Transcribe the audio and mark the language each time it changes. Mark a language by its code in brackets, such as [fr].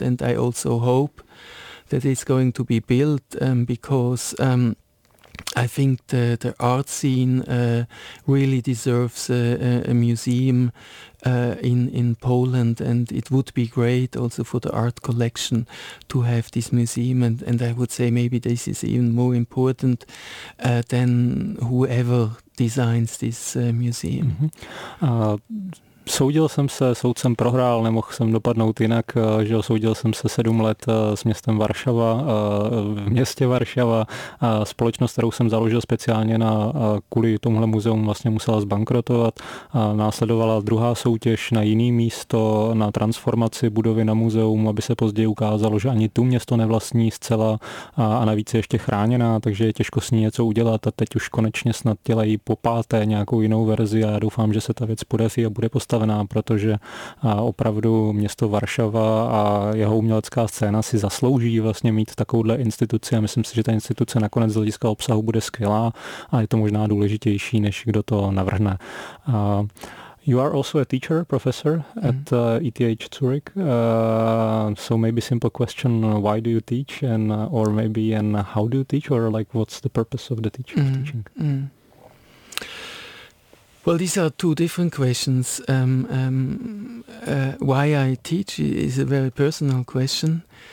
[en] And I also hope that it's going to be built because I think the art scene really deserves a museum in Poland, and it would be great also for the art collection to have this museum. And I would say maybe this is even more important than whoever designs this museum. [cs] Soudil jsem se, soud jsem prohrál, nemohl jsem dopadnout jinak, že soudil jsem se 7 let s městem Varšava, v městě Varšava, společnost, kterou jsem založil speciálně na, kvůli tomuhle muzeum, vlastně musela zbankrotovat. Následovala druhá soutěž na jiné místo, na transformaci budovy na muzeum, aby se později ukázalo, že ani tu město nevlastní zcela a navíc je ještě chráněná, takže je těžko s ní něco udělat a teď už konečně snad dělají po páté nějakou jinou verzi a já doufám, že se ta věc podaří a bude postavená, protože opravdu město Varšava a jeho umělecká scéna si zaslouží vlastně mít takovouhle instituci a myslím si, že ta instituce nakonec z hlediska obsahu bude skvělá a je to možná důležitější, než kdo to navrhne. [en] You are also a teacher, professor at ETH Zurich. So maybe simple question, why do you teach and or maybe and how do you teach or like what's the purpose of the teacher teaching? Well, these are two different questions. Why I teach is a very personal question.